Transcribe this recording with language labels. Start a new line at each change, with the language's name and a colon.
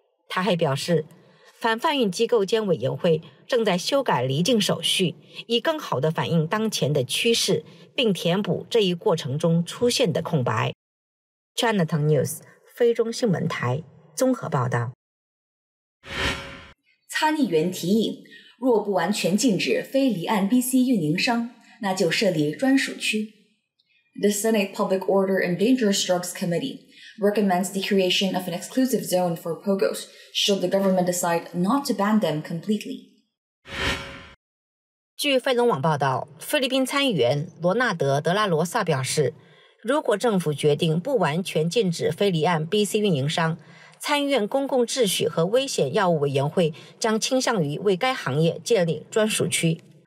Chinese: 他还表示，反贩运机构兼委员会正在修改离境手续，以更好地反映当前的趋势，并填补这一过程中出现的空白。 Cntv News 菲中新闻台综合报道。参议员提议，若不完全禁止非离岸 BC 运营商，那就设立专属区。
English: The Senate Public Order and Dangerous Drugs Committee recommends the creation of an exclusive zone for POGOs should the government decide not to ban them completely.
Chinese: 据飞龙网报道，菲律宾参议员罗纳德·德拉罗萨表示，如果政府决定不完全禁止非离岸 BC 运营商，参议院公共秩序和危险药物委员会将倾向于为该行业建立专属区。